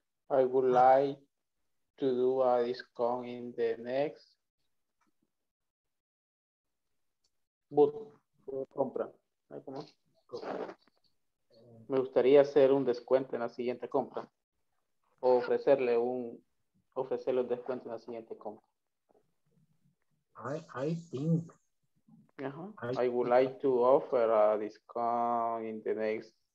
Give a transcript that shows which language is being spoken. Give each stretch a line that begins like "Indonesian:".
English: I would like to do a discount in the next compra.
Spanish: Me gustaría hacer un descuento en la siguiente compra. O ofrecerle un descuento en la siguiente compra.
English: I think I would like to offer a discount in the next